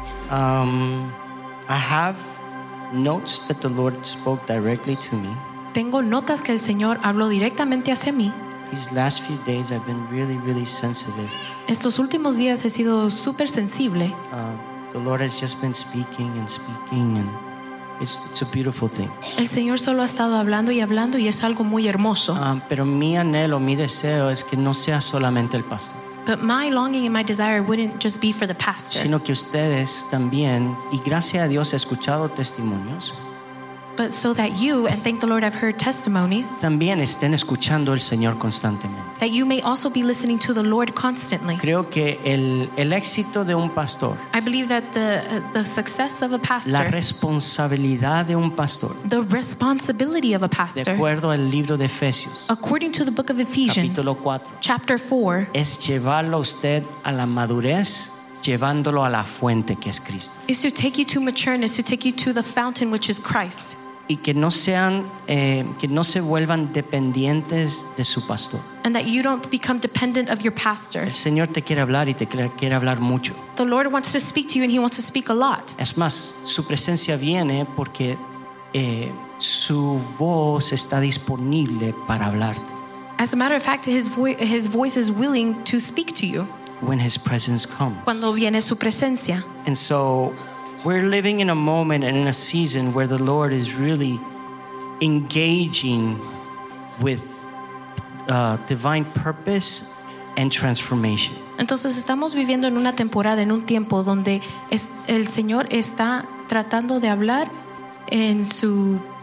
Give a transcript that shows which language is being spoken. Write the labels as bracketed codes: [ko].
[en] I have notes that the Lord spoke directly to me. [es] Tengo notas que el Señor habló directamente hacia mí. [en] These last few days I've been really, really sensitive. [es] Estos últimos días he sido super sensible. [en] The Lord has just been speaking and speaking, and it's a beautiful thing. [es] El Señor solo ha estado hablando y hablando, y es algo muy hermoso. Pero mi anhelo, mi deseo es que no sea solamente el pastor. [en] But my longing and my desire wouldn't just be for the pastor. [es] Sino que ustedes también, y gracias a Dios he escuchado testimonios. [en] But so that you, and thank the Lord, I've heard testimonies. [es] También estén escuchando el Señor constantemente. [en] That you may also be listening to the Lord constantly. [es] Creo que el éxito de un pastor. [en] I believe that the success of a pastor. [es] La responsabilidad de un pastor. [en] The responsibility of a pastor. [es] De acuerdo al libro de Efesios. [en] According to the book of Ephesians. [es] Capítulo 4. [en] Chapter 4. [es] Es llevarlo usted a la madurez. Llevándolo a la fuente que es Cristo. [en] Is to take you to matureness, to take you to the fountain which is Christ. [es] Y que no sean, que no se vuelvan dependientes de su pastor. [en] And that you don't become dependent of your pastor. [es] El Señor te quiere hablar y te quiere hablar mucho. [en] The Lord wants to speak to you and he wants to speak a lot. [es] Es más, su presencia viene porque su voz está disponible para hablarte. [en] As a matter of fact, his voice is willing to speak to you. When his presence comes. [es] Cuando viene su presencia. [en] And so we're living in a moment and in a season where the Lord is really engaging with divine purpose and transformation. [es] Entonces estamos viviendo en una temporada, en un tiempo donde el Señor está tratando de hablar en su